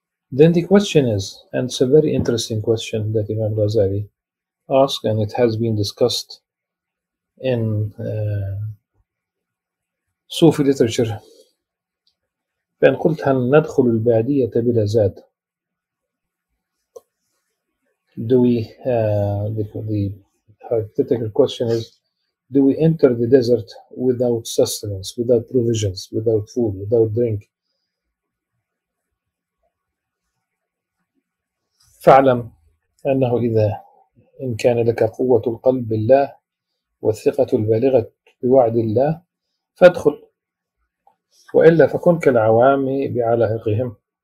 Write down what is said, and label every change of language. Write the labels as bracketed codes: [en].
[en] Then the question is, and it's a very interesting question that Imam Ghazali asked, and it has been discussed in Sufi literature. [ar] فإن قلت هل ندخل البعدية بلا زاد? [en] Do we, the hypothetical question is, do we enter the desert without sustenance, without provisions, without food, without drink? [ar] فاعلم أنه إذا إن كان لك قوة القلب بالله والثقة البالغة بوعد الله فادخل، وإلا فكن كالعوام بعلائقهم.